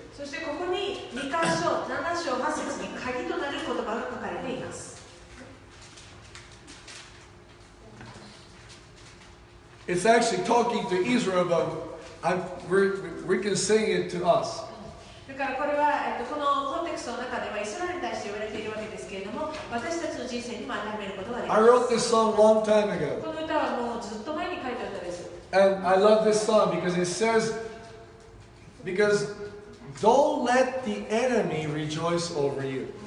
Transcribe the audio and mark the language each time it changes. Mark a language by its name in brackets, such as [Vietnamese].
[Japanese] そしてここにミカ書7章8節に鍵となる言葉が書かれています。 [English] It's actually talking to Israel, but we can sing it to us. [Japanese] だからこれはこのコンテクストの中ではイスラエルに対して言われているわけですけれども、私たちの人生にも当てはめることができます。 [English] I wrote this song long time ago. [Japanese] この歌はもうずっと前に書いてあったんです。 [English] And I love this song because it says, because don't let the enemy rejoice over you.